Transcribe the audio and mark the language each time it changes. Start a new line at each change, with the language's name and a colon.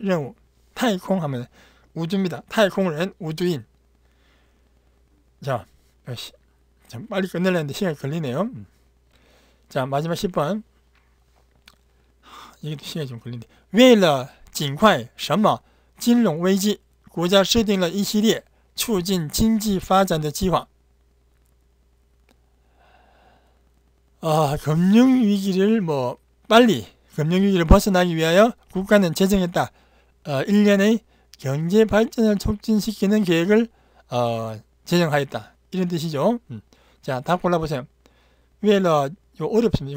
Chinese: 由三个国家科学家组成的科学考察团最终完成了这次太空探险任务。太空探险任务，
Korean: 太空하면 우주입니다. 太空人, 우주인. 자, 역시. 참 빨리 끝내려는데 시간이 걸리네요. 자, 마지막 10번. 이것도 시간이 좀 걸린데.
Chinese: 为了尽快什么金融危机，国家制定了一系列促进经济发展的计划。
Korean: 아, 금융 위기를 뭐 빨리 금융 위기를 벗어나기 위하여 국가는 제정했다. 1년의 경제 발전을 촉진시키는 계획을 제정하였다. 이런 뜻이죠. 자, 다 골라보세요. 왜러, 요, 어렵습니다.